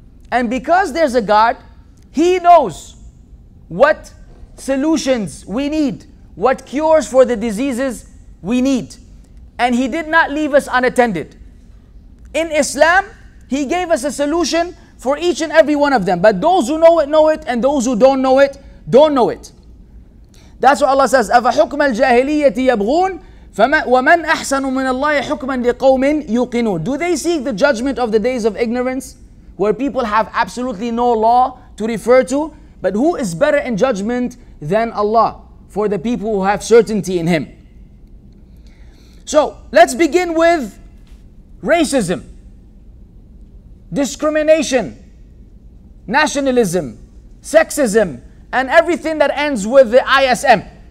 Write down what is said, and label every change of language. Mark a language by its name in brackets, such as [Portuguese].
[English] And because there's a God, he knows what solutions we need, what cures for the diseases we need. And he did not leave us unattended. In Islam, he gave us a solution for each and every one of them. But those who know it, and those who don't know it, don't know it. That's what Allah says, [Arabic] أَفَحُكْمَ الْجَاهِلِيَّةِ يَبْغُونَ وَمَنْ أَحْسَنُ مِنَ اللَّهِ حُكْمًا لِقَوْمٍ يُقِنُونَ. [English] Do they seek the judgment of the days of ignorance, where people have absolutely no law to refer to? But who is better in judgment than Allah for the people who have certainty in him? So let's begin with racism, discrimination, nationalism, sexism, and everything that ends with the ISM.